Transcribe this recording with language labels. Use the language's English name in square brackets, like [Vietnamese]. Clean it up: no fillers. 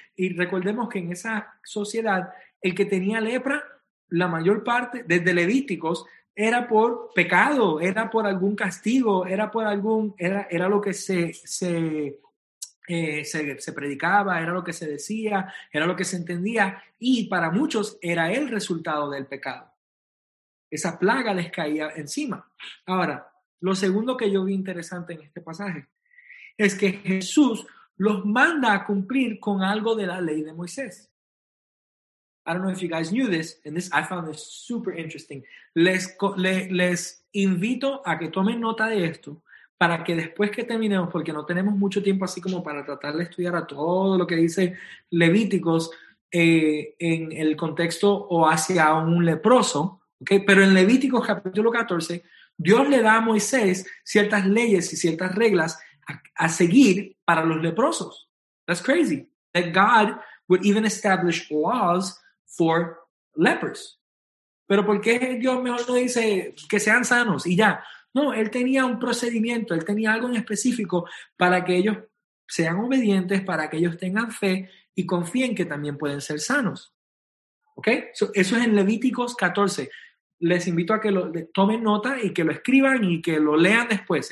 [Spanish] Y recordemos que en esa sociedad, el que tenía lepra, la mayor parte, desde Levíticos, era por pecado, era por algún castigo, era por algún, era lo que se predicaba, era lo que se decía, era lo que se entendía, y para muchos era el resultado del pecado. Esa plaga les caía encima. Ahora, lo segundo que yo vi interesante en este pasaje es que Jesús los manda a cumplir con algo de la ley de Moisés. [English] I don't know if you guys knew this, and this I found this super interesting. [Spanish] Les invito a que tomen nota de esto, para que después que terminemos, porque no tenemos mucho tiempo así como para tratar de estudiar a todo lo que dice Levíticos en el contexto o hacia un leproso, ¿okay? Pero en Levíticos capítulo 14, Dios le da a Moisés ciertas leyes y ciertas reglas a seguir para los leprosos. [English] That's crazy. That God would even establish laws for lepers. [Spanish] Pero ¿por qué Dios mejor no dice que sean sanos y ya? No, él tenía un procedimiento, él tenía algo en específico para que ellos sean obedientes, para que ellos tengan fe y confíen que también pueden ser sanos. ¿Ok? So, eso es en Levíticos 14. Les invito a que lo tomen nota y que lo escriban y que lo lean después.